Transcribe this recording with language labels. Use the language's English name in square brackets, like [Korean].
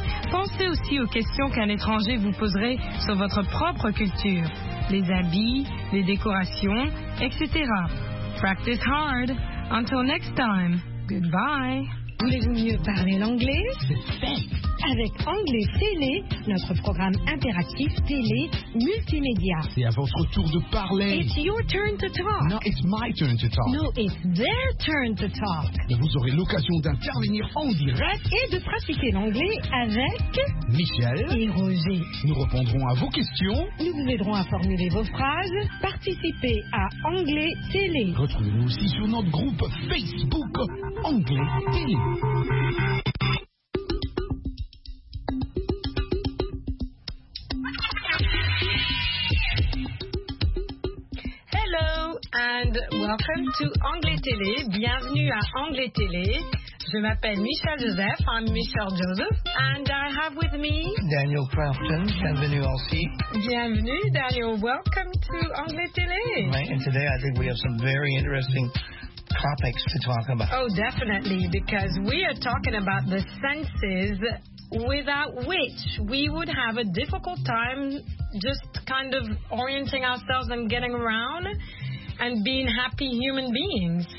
[French] Pensez aussi aux questions qu'un étranger vous poserait sur votre propre culture, les habits, les décorations, etc. [English] Practice hard. Until next time. Goodbye. [French] Voulez-vous mieux parler l'anglais? Avec Anglais Télé, notre programme interactif télé multimédia. C'est à votre tour de parler. [English] It's your turn to talk. No, it's my turn to talk. No, it's their turn to talk. [French] Et vous aurez l'occasion d'intervenir en direct et de pratiquer l'anglais avec Michel et Roger. Nous répondrons à vos questions. Nous vous aiderons à formuler vos phrases. Participez à Anglais Télé. Retrouvez-nous aussi sur notre groupe Facebook Anglais Télé. [English] And welcome to Anglais Télé. [French] Bienvenue à Anglais Télé. Je m'appelle Michel Joseph. [English] I'm Michel Joseph. And I have with me [French] Daniel Crafton. Bienvenue aussi. Bienvenue, Daniel. [English] Welcome to Anglais Télé. Right, and today I think we have some very interesting topics to talk about. Oh, definitely, because we are talking about the senses without which we would have a difficult time just kind of orienting ourselves and getting around and being happy human beings.